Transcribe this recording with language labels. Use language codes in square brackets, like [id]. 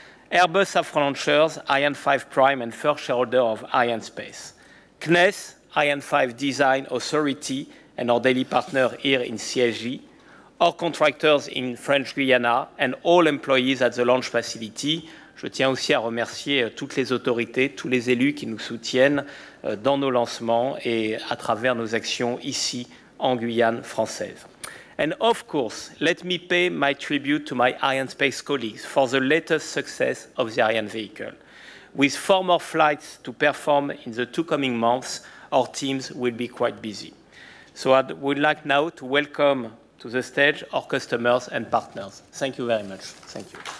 [en] Airbus Safran Launchers, Ariane 5 Prime and first shareholder of Arianespace. CNES, Ariane 5 Design Authority and our daily partner here in CSG. Our contractors in French Guiana and all employees at the launch facility. [fr] Je tiens aussi à remercier toutes les autorités, tous les élus qui nous soutiennent dans nos lancements et à travers nos actions ici en Guyane française. [en] And of course, let me pay my tribute to my Arianespace colleagues for the latest success of the Ariane vehicle. With four more flights to perform in the two coming months, our teams will be quite busy. So I would like now to welcome to the stage, our customers and partners. Thank you very much. Thank you.